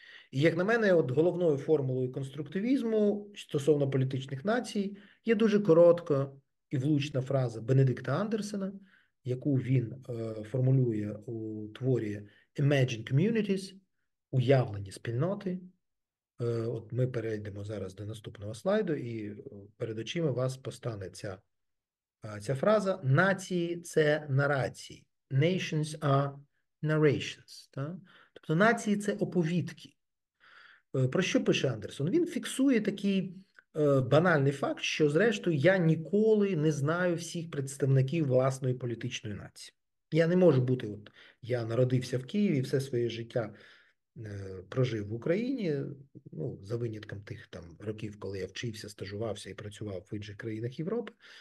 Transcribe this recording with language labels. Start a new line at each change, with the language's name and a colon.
Ukrainian: І як на мене, от головною формулою конструктивізму стосовно політичних націй є дуже коротка і влучна фраза Бенедикта Андерсена, яку він формулює у творі Imagine Communities, уявлені спільноти. От ми перейдемо зараз до наступного слайду, і перед очима вас постане ця фраза. Нації це нарації.
English: Nations are narrations.
Ukrainian: Так? Тобто нації це оповідки. Про що пише Андерсон? Він фіксує такий банальний факт, що зрештою я ніколи не знаю всіх представників власної політичної нації. Я не можу бути, от я народився в Києві, все своє життя прожив в Україні, ну, за винятком тих там років, коли я вчився, стажувався і працював в інших країнах Європи.